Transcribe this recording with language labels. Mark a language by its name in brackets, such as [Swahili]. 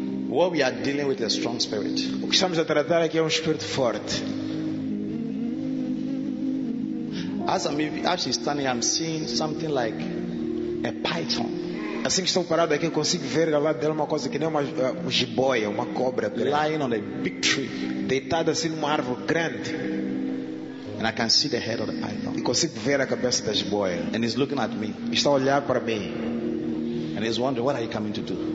[English] What we are dealing with is a strong spirit. [Portuguese] O que estamos a tratar aqui é espírito forte. [English] As she's standing, I'm seeing something like a python. [Portuguese] Assim que estou parado aqui, eu consigo ver ao lado dela uma coisa que nem uma jiboia, uma cobra. [English] Lying on a big tree. [Portuguese] Deitada assim numa árvore grande. [English] And I can see the head of the python. [Portuguese] E consigo ver a cabeça da jiboia. [English] And he's looking at me. [Portuguese] E está a olhar para mim. [English] And he's wondering, what are you coming to do?